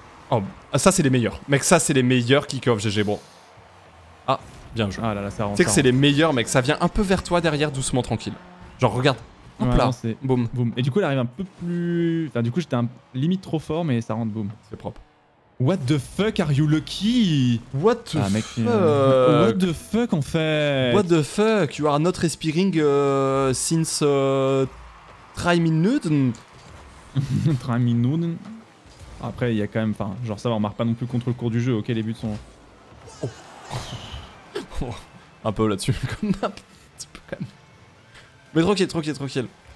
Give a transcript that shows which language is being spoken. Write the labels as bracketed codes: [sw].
[fr] Oh, ça c'est les meilleurs! Mec, ça c'est les meilleurs kick-off GG, bon! Ah! Bien joué. Ah là là, ça rentre. Tu sais que c'est les meilleurs, mec. Ça vient un peu vers toi derrière, doucement, tranquille. Genre, regarde. Hop ouais, là. Non, c'est... Boum. Boum. Et du coup, elle arrive un peu plus. Enfin, du coup, j'étais limite trop fort, mais ça rentre. Boum. C'est propre. [en] What the fuck are you lucky? What the fuck? What the fuck [fr] en fait? [en] What the fuck? You are not respiring since 3 minutes? [fr] 3 minutes. Après, il y a quand même. Enfin, genre, ça va, on marque pas non plus contre le cours du jeu, ok, les buts sont. Oh. Un peu là-dessus, comme d'hab. Petit peu quand même. Mais tranquille, tranquille, tranquille.